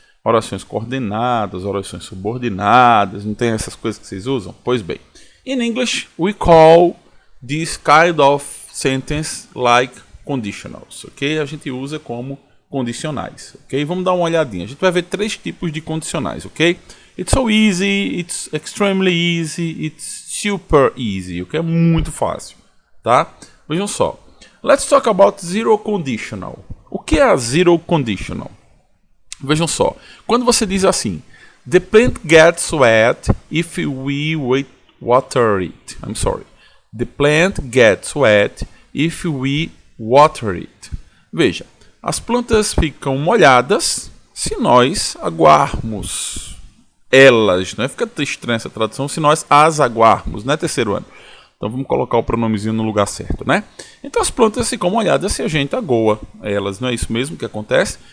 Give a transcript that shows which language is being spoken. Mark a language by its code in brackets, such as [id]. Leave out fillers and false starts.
[pt] Orações coordenadas, orações subordinadas, não tem essas coisas que vocês usam? Pois bem, [en] in English, we call this kind of sentence like conditionals, ok? [pt] A gente usa como condicionais, ok? Vamos dar uma olhadinha. A gente vai ver três tipos de condicionais, ok? [en] It's so easy, it's extremely easy, it's super easy, ok? [pt] É muito fácil, tá? Vejam só. [en] Let's talk about zero conditional. [pt] O que é a zero conditional? Vejam só, quando você diz assim, [en] the plant gets wet if we water it. I'm sorry. The plant gets wet if we water it. [pt] Veja, as plantas ficam molhadas se nós aguarmos elas. Não é? Fica estranha essa tradução, se nós as aguarmos, né, terceiro ano? Então vamos colocar o pronomezinho no lugar certo, né? Então as plantas ficam molhadas se a gente aguou elas, não é isso mesmo que acontece?